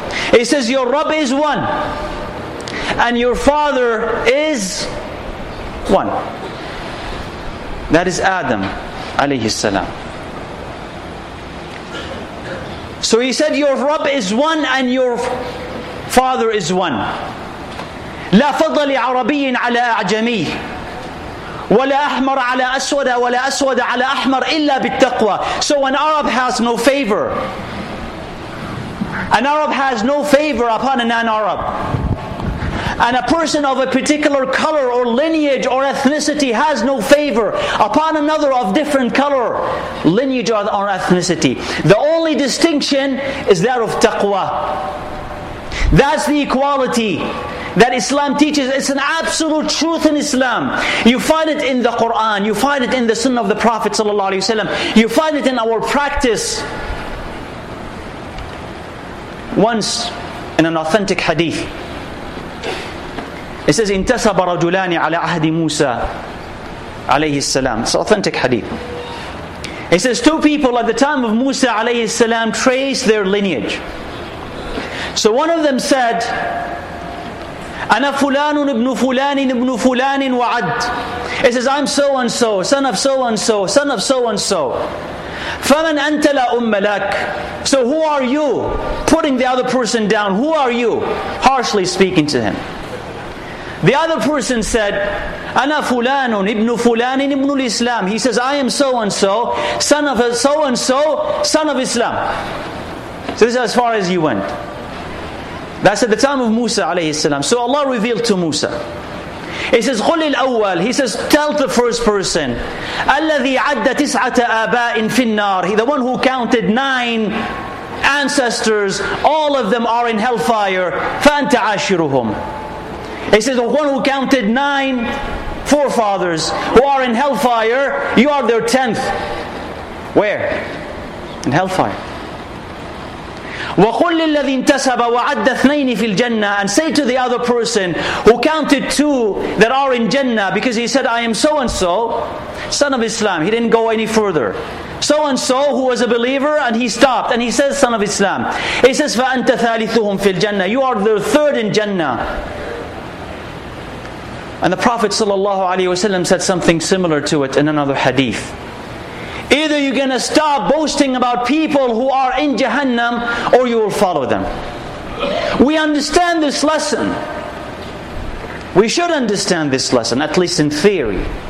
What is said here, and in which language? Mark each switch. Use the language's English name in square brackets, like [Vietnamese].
[English] He says, your Rabb is one, and your father is one. That is Adam, alayhi salam. So he said, your Rabb is one and your father is one. [Arabic] لا فضل عربي على أعجمي ولا أحمر على أسود ولا أسود على أحمر إلا بالتقوى. [English] So an Arab has no favor. An Arab has no favor upon a non-Arab. And a person of a particular color or lineage or ethnicity has no favor upon another of different color, lineage or ethnicity. The only distinction is that of taqwa. That's the equality that Islam teaches. It's an absolute truth in Islam. You find it in the Quran. You find it in the Sunnah of the Prophet ﷺ. You find it in our practice. Once in an authentic hadith, it says, [Arabic] انتسب رجلان على عهد موسى عليه السلام. [English] It's authentic hadith. It says, two people at the time of Musa عليه السلام traced their lineage. So one of them said, [Arabic] أنا فلان ابن فلان ابن فلان وعد. [English] It says, I'm so and so, son of so and so, son of so and so. [Arabic] فمن أنت لا أم لك. [English] So who are you? Putting the other person down. Who are you? Harshly speaking to him. The other person said, [Arabic] أَنَا فُلَانٌ إِبْنُ فُلَانٍ إِبْنُ الْإِسْلَامِ. [English] He says, I am so-and-so, son of so-and-so, son of Islam. So this is as far as he went. That's at the time of Musa alayhi salam. So Allah revealed to Musa. He says, [Arabic] قل الأول. [English] He says, tell the first person. [Arabic] الذي عد تسعة آباء في النار. [English] The one who counted 9 ancestors, all of them are in hellfire. [Arabic] فأنت عاشرهم. [English] He says, the one who counted 9 forefathers who are in hellfire, you are their 10th. Where? In hellfire. [Arabic] وَقُلْ لِلَّذِي انْتَسَبَ وَعَدَّ اثْنَيْنِ فِي الْجَنَّةِ. [English] And say to the other person who counted 2 that are in Jannah, because he said, I am so-and-so, son of Islam. He didn't go any further. So-and-so who was a believer and he stopped. And he says, son of Islam. He says, [Arabic] فَأَنْتَ ثَالِثُهُمْ فِي الْجَنَّةِ. [English] You are the 3rd in Jannah. And the Prophet sallallahu alaihi wasallam said something similar to it in another hadith. Either you're going to stop boasting about people who are in Jahannam, or you will follow them. We understand this lesson. We should understand this lesson, at least in theory.